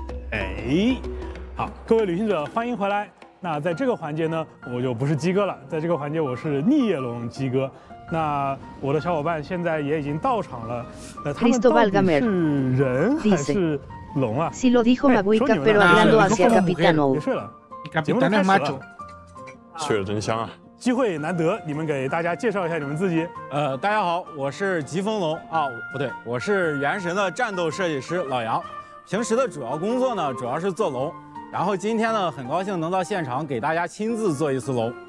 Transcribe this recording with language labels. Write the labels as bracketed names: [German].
[Chinese] 哎，好，各位旅行者，欢迎回来。那在这个环节呢，我就不是鸡哥了，在这个环节我是逆夜龙鸡哥。那我的小伙伴现在也已经到场了。他们到底是人还是龙啊？ [Spanish] si lo dijo Mabuica, pero hablando hacia Capitano. [Chinese] 别睡了，节目开始了。睡得真香啊！机会难得，你们给大家介绍一下你们自己。大家好，我是疾风龙啊，不对，我是原神的战斗设计师老杨。平时的主要工作呢，主要是做龙，然后今天呢，很高兴能到现场给大家亲自做一次龙。